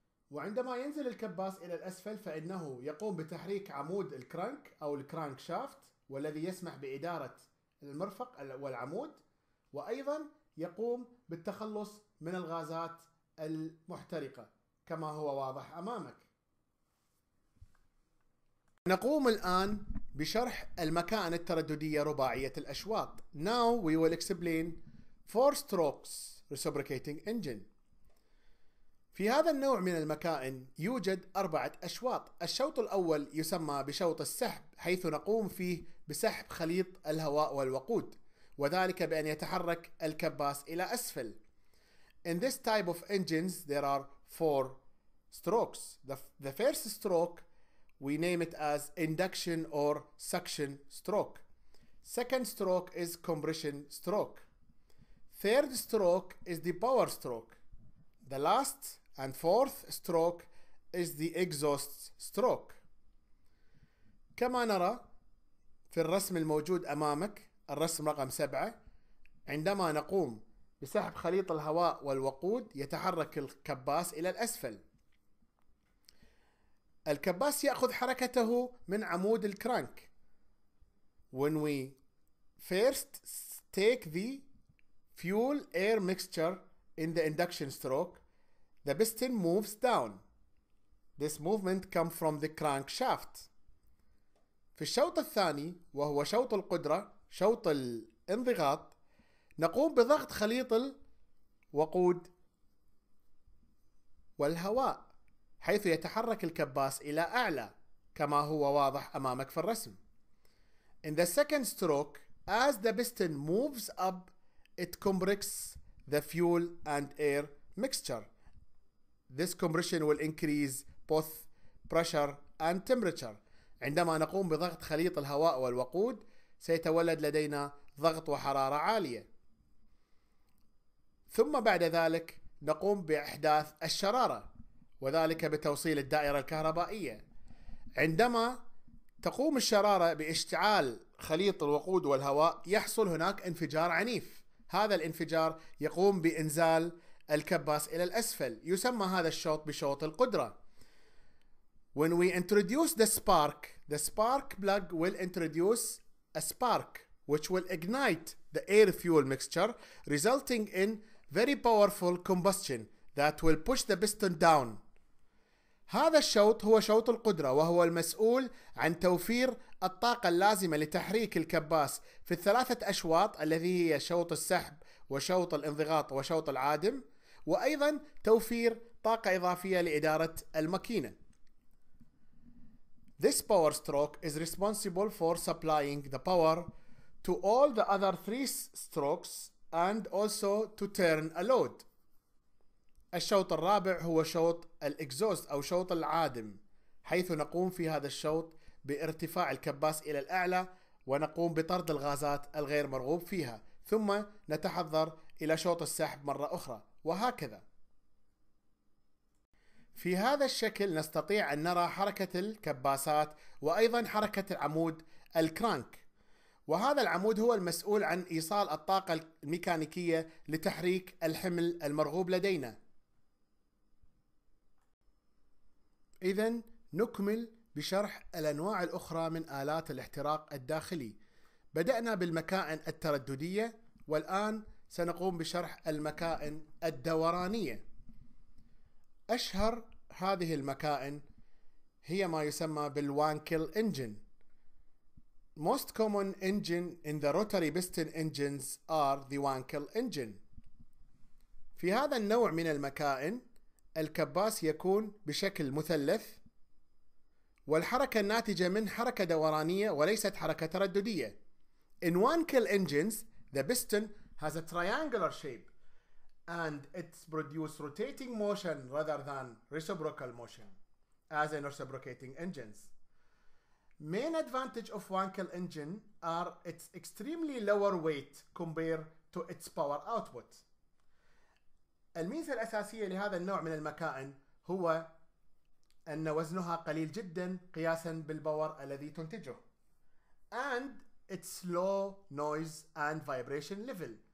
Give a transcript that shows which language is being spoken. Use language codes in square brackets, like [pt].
[ar] وعندما ينزل الكباس إلى الأسفل فإنه يقوم بتحريك عمود الكرانك أو الكرانك شافت، والذي يسمح بإدارة المرفق والعمود، وأيضا يقوم بالتخلص من الغازات المحترقة كما هو واضح أمامك. نقوم الآن بشرح المكائن الترددية رباعية الأشواط. [en] Now we will explain four strokes reciprocating engine. [ar] في هذا النوع من المكائن يوجد أربعة أشواط. الشوط الأول يسمى بشوط السحب، حيث نقوم فيه بسحب خليط الهواء والوقود، وذلك بأن يتحرك الكباس إلى أسفل. [en] In this type of engines there are four strokes. The first stroke we name it as induction or suction stroke. Second stroke is compression stroke. Third stroke is the power stroke. The last and fourth stroke is the exhaust stroke. [ar] كما نرى في الرسم الموجود أمامك، الرسم رقم 7، عندما نقوم بسحب خليط الهواء والوقود يتحرك الكباس إلى الأسفل. الكباس يأخذ حركته من عمود الكرانك. [en] When we first take the fuel air mixture in the induction stroke, the piston moves down. This movement comes from the crankshaft. [ar] في الشوط الثاني وهو شوط القدرة، شوط الانضغاط، نقوم بضغط خليط الوقود والهواء، حيث يتحرك الكباس إلى أعلى كما هو واضح أمامك في الرسم. [en] In the second stroke, as the piston moves up, it compresses the fuel and air mixture. This compression will increase both pressure and temperature. [ar] عندما نقوم بضغط خليط الهواء والوقود سيتولد لدينا ضغط وحرارة عالية. ثم بعد ذلك نقوم بإحداث الشرارة، وذلك بتوصيل الدائرة الكهربائية. عندما تقوم الشرارة باشتعال خليط الوقود والهواء يحصل هناك انفجار عنيف. هذا الانفجار يقوم بإنزال الكباس إلى الأسفل، يسمى هذا الشوط بشوط القدرة. [en] When we introduce the spark plug will introduce a spark which will ignite the air fuel mixture resulting in very powerful combustion that will push the piston down. [ar] هذا الشوط هو شوط القدرة، وهو المسؤول عن توفير الطاقة اللازمة لتحريك الكباس في الثلاثة أشواط الذي هي شوط السحب وشوط الانضغاط وشوط العادم، وأيضا توفير طاقة إضافية لإدارة الماكينة. [en] This power stroke is responsible for supplying the power to all the other three strokes and also to turn a load. [ar] الشوط الرابع هو شوط الإكزوست أو شوط العادم، حيث نقوم في هذا الشوط بارتفاع الكباس إلى الأعلى ونقوم بطرد الغازات الغير مرغوب فيها، ثم نتحضر إلى شوط السحب مرة أخرى، وهكذا. في هذا الشكل نستطيع أن نرى حركة الكباسات وأيضا حركة العمود الكرانك، وهذا العمود هو المسؤول عن إيصال الطاقة الميكانيكية لتحريك الحمل المرغوب لدينا. إذن نكمل بشرح الأنواع الأخرى من آلات الاحتراق الداخلي. بدأنا بالمكائن الترددية، والآن سنقوم بشرح المكائن الدورانية. أشهر هذه المكائن هي ما يسمى بالوانكل انجن. [en] Most common engine in the rotary piston engines are the Wankel engine. [ar] في هذا النوع من المكائن الكباس يكون بشكل مثلث، والحركة الناتجة من حركة دورانية وليست حركة ترددية. [en] In Wankel engines, the piston has a triangular shape and it produces rotating motion rather than reciprocal motion as in reciprocating engines. Main advantage of Wankel engine are its extremely lower weight compared to its power output. [ar] الميزة الأساسية لهذا النوع من المكائن هو أن وزنها قليل جدا قياسا بالباور الذي تنتجه. [en] And its low noise and vibration level.